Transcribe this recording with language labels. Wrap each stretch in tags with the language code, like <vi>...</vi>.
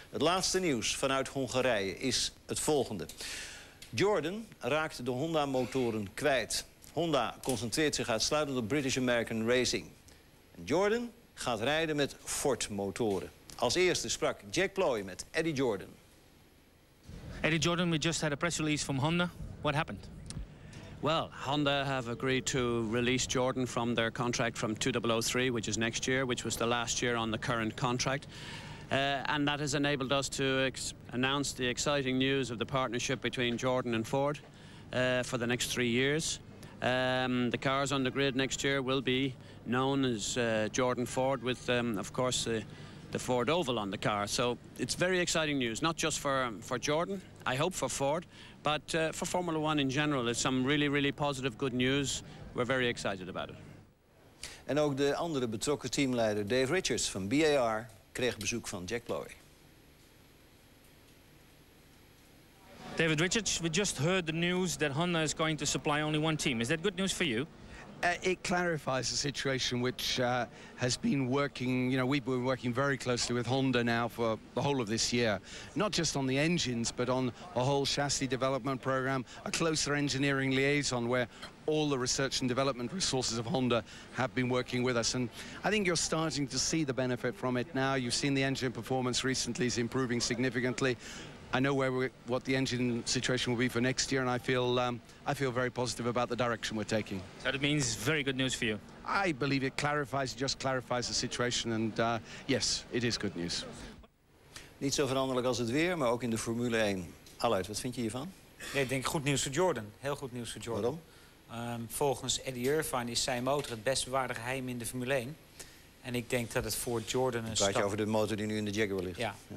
<nl>Het laatste nieuws vanuit Hongarije is het volgende. Jordan raakt de Honda-motoren kwijt. Honda concentreert zich uitsluitend op British American Racing. Jordan gaat rijden met Ford-motoren. Als eerste sprak Jack Ploy met Eddie Jordan.</nl> <en>Eddie Jordan, we just had a press release from Honda. What happened? Well, Honda have agreed to release Jordan from their contract from 2003, which is next year, which was the last year on the current contract. And that has enabled us to announce the exciting news of the partnership between Jordan and Ford for the next 3 years. The cars on the grid next year will be known as Jordan Ford, with, of course, the Ford Oval on the car. So it's very exciting news, not just for Jordan, I hope for Ford, but for Formula One in general. It's some really, really positive good news. We're very excited about it.</en> <nl>En ook de andere betrokken teamleider Dave Richards van BAR kreeg bezoek van Jack Lowry.</nl> <en>David Richards, we just heard the news that Honda is going to supply only one team. Is that good news for you? It clarifies a situation which has been working, you know, we've been working very closely with Honda now for the whole of this year, not just on the engines, but on a whole chassis development program, a closer engineering liaison where all the research and development resources of Honda have been working with us. And I think you're starting to see the benefit from it now. You've seen the engine performance recently is improving significantly. I know where what the engine situation will be for next year, and I feel very positive about the direction we're taking. So that means very good news for you. I believe it just clarifies the situation, and yes, it is good news.</en> <nl>Niet zo veranderlijk als het weer, maar ook in de Formule 1. Aluit, wat vind je hiervan? Nee, ik denk goed nieuws voor Jordan. Heel goed nieuws voor Jordan. Waarom? Volgens Eddie Irvine is zijn motor het best bewaarde geheim in de Formule 1. En ik denk dat het voor Jordan een stap... Praat je over de motor die nu in de Jaguar ligt? Ja, ja.</nl>